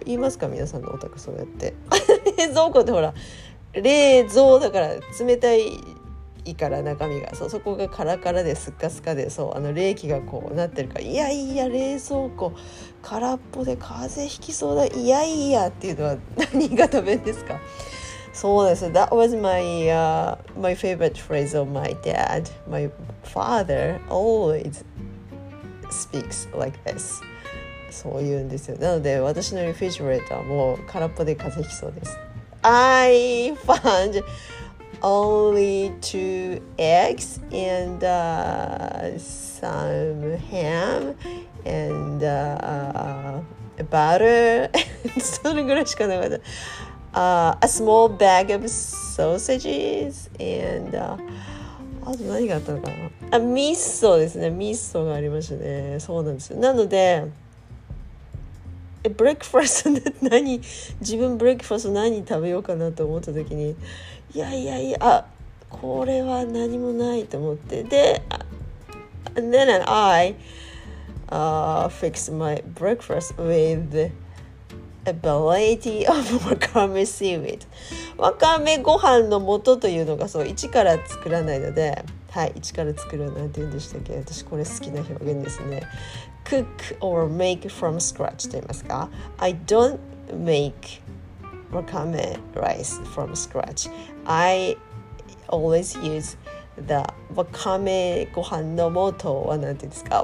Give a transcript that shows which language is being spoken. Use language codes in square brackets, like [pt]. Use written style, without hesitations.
[ja] 言いますか、皆さんのお宅そうやって。冷蔵庫ってほら、冷蔵だから冷たいから、中身が、そこがカラカラでスッカスカで、そう、あの冷気がこうなってるから、いやいや冷蔵庫空っぽで風邪ひきそうだ、いやいやっていうのは何がダメですか。そうです。 [en] That was my favorite phrase of my dad. My father always speaks like this. [ja] そう言うんですよ。なので私のリフィジュレーターも空っぽで風邪ひきそうです。 [en] I foundOnly two eggs and some ham and butter. [ja] それぐらいしかなかった。 [en] A small bag of sausages and [ja] あと何があったのかな。あ、味噌ですね。味噌がありましたね。そうなんですよ。なので、breakfast で何、自分 breakfast 何食べようかなと思った時に。いやいやいや、これは何もないと思って。 [en] で、and then I fixed my breakfast with a variety of wakame seaweed. [ja] わかめご飯の素というのが、そう、一から作らないので、はい、一から作るなんて言うんでしたっけ。私これ好きな表現ですね。 [en] Cook or make from scratch [ja] と言いますか。 [en] I don't make... わかめ rice from scratch. I always use the [ja] わかめご飯の素は何て言うんですか。